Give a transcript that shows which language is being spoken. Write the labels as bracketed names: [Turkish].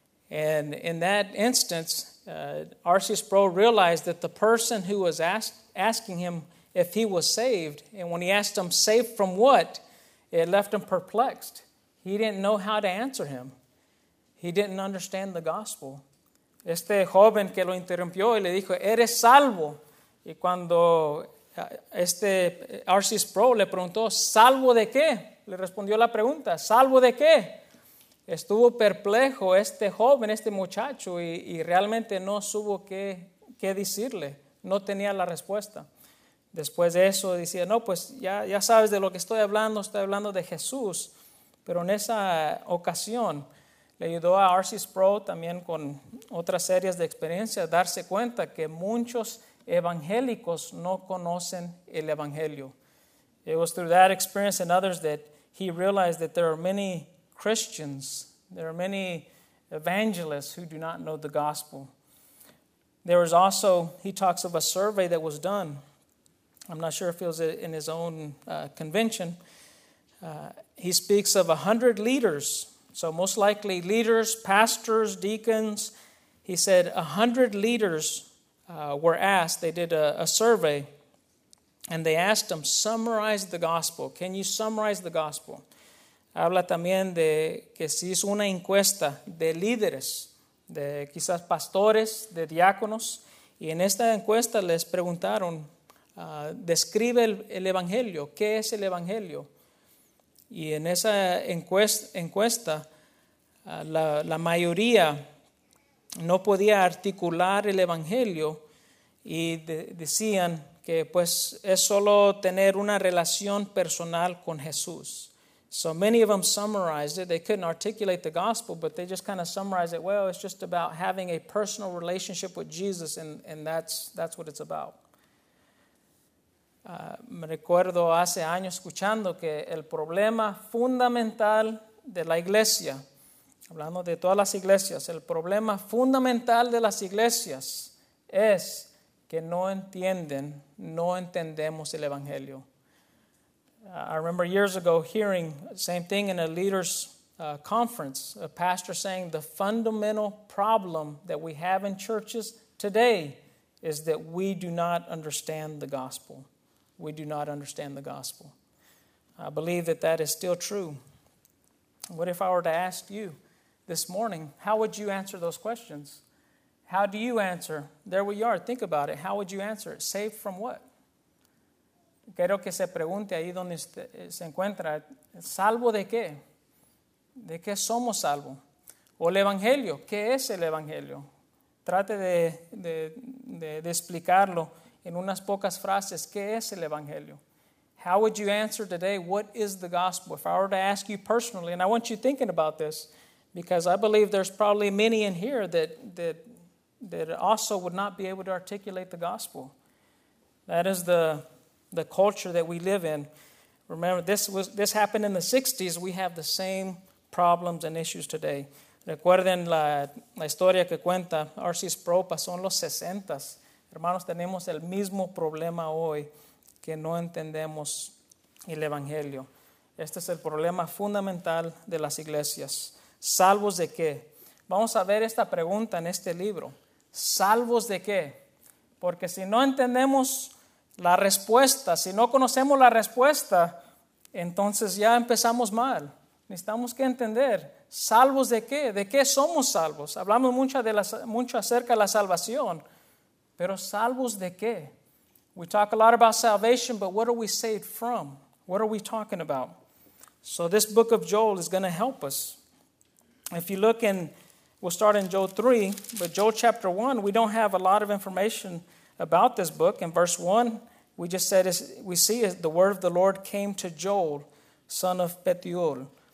[English] And in that instance, R.C. Sproul realized that the person who was asking him if he was saved, and when he asked him, saved from what, it left him perplexed. He didn't know how to answer him. He didn't understand the gospel. [Spanish] Este joven que lo interrumpió y le dijo, eres salvo. Y cuando este R.C. Sproul le preguntó, ¿salvo de qué? Le respondió la pregunta, ¿salvo de qué? Estuvo perplejo este joven, este muchacho, y realmente no supo qué decirle. No tenía la respuesta. Después de eso, decía, no, pues ya sabes de lo que estoy hablando de Jesús. Pero en esa ocasión, le ayudó a R.C. Sproul también con otras series de experiencias, darse cuenta que muchos evangélicos no conocen el evangelio. [English] It was through that experience and others that he realized that there are many Christians, there are many evangelists who do not know the gospel. There was also, he talks of a survey that was done. I'm not sure if it was in his own convention. He speaks of 100 leaders. So most likely leaders, pastors, deacons. He said 100 leaders were asked. They did a survey. And they asked them, summarize the gospel. Can you summarize the gospel? [Spanish] Habla también de que se hizo una encuesta de líderes, de quizás pastores, de diáconos. Y en esta encuesta les preguntaron, describe el evangelio. ¿Qué es el evangelio? Y en esa encuesta, la mayoría no podía articular el evangelio y decían que pues es solo tener una relación personal con Jesús. [English] So many of them summarized it. They couldn't articulate the gospel, but they just kind of summarized it. Well, it's just about having a personal relationship with Jesus, and that's what it's about. [Spanish] Me recuerdo hace años escuchando que el problema fundamental de la iglesia, hablando de todas las iglesias, el problema fundamental de las iglesias es que no entienden, no entendemos el evangelio. [English] I remember years ago hearing the same thing in a leaders' conference, a pastor saying the fundamental problem that we have in churches today is that we do not understand the gospel. We do not understand the gospel. I believe that that is still true. What if I were to ask you this morning, how would you answer those questions? How do you answer? There we are. Think about it. How would you answer it? Saved from what? [Spanish] Quiero que se pregunte ahí donde se encuentra, ¿salvo de qué? ¿De qué somos salvo? ¿O el evangelio? ¿Qué es el evangelio? Trate de explicarlo en unas pocas frases. ¿Qué es el evangelio? [English] How would you answer today, what is the gospel? If I were to ask you personally, and I want you thinking about this, because I believe there's probably many in here that also would not be able to articulate the gospel. That is the culture that we live in. Remember, this happened in the 60s. We have the same problems and issues today. [Spanish] Recuerden la historia que cuenta R.C. Sproul, pasó en los 60s. Hermanos, tenemos el mismo problema hoy que no entendemos el evangelio. Este es el problema fundamental de las iglesias. ¿Salvos de qué? Vamos a ver esta pregunta en este libro. ¿Salvos de qué? Porque si no entendemos la respuesta, si no conocemos la respuesta, entonces ya empezamos mal. Necesitamos que entender, ¿salvos de qué? ¿De qué somos salvos? Hablamos mucho acerca de la salvación, pero ¿salvos de qué? [English] We talk a lot about salvation, but what are we saved from? What are we talking about? So this book of Joel is going to help us. If you look in, we'll start in Joel 3, but Joel chapter 1, we don't have a lot of information about this book. In verse 1, we just said, we see the word of the Lord came to Joel, son of Pethuel.